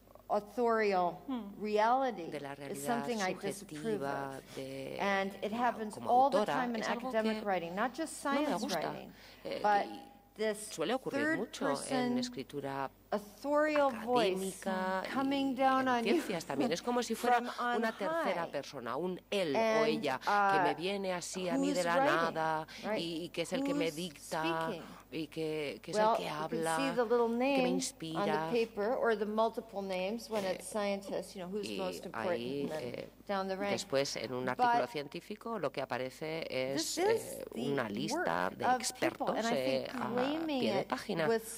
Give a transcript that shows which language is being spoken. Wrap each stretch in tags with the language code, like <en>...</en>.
<en>authorial reality</en> <es>de la</es> <en>is something I disapprove of.</en> <es>De,</es> <en>and it happens all the time in academic writing, not just science writing, but this third person authorial voice coming down on you.</en> <es>Ciencias también es como si fuera una tercera persona, un él o ella que me viene así a mí de la nada y que es el que me dicta y que es el que habla, que me inspira.</es> <en>On the paper or the multiple names when it's scientists, you know, who's most important down the rank.</en> <es>Después en un artículo científico lo que aparece es una lista de expertos a pie de página.</es>